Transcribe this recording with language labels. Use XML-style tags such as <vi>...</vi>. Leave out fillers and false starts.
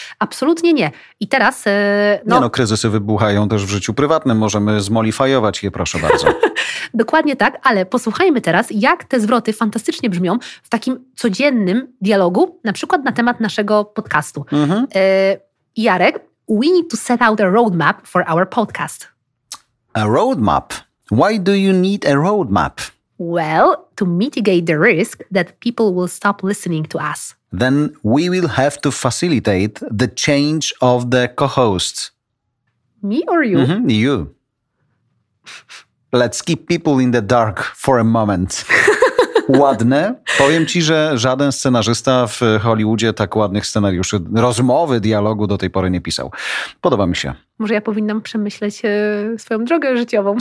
<pl>Absolutnie nie. I teraz... Kryzysy wybuchają też w życiu prywatnym. Możemy zmolifajować je, proszę bardzo. Dokładnie tak, ale posłuchajmy teraz, jak te zwroty fantastycznie brzmią w takim codziennym dialogu, na przykład na temat naszego podcastu.</pl> <en>Jarek, we need to set out a roadmap for our podcast. A roadmap? Why do you need a roadmap? Well, to mitigate the risk that people will stop listening to us. Then we will have to facilitate the change of the co-hosts. Me or you? Mm-hmm, you. Let's keep people in the dark for a moment.</en> <pl>Ładne. Powiem ci, że żaden scenarzysta w Hollywoodzie tak ładnych scenariuszy, rozmowy, dialogu do tej pory nie pisał. Podoba mi się. Może ja powinnam przemyśleć swoją drogę życiową.</pl>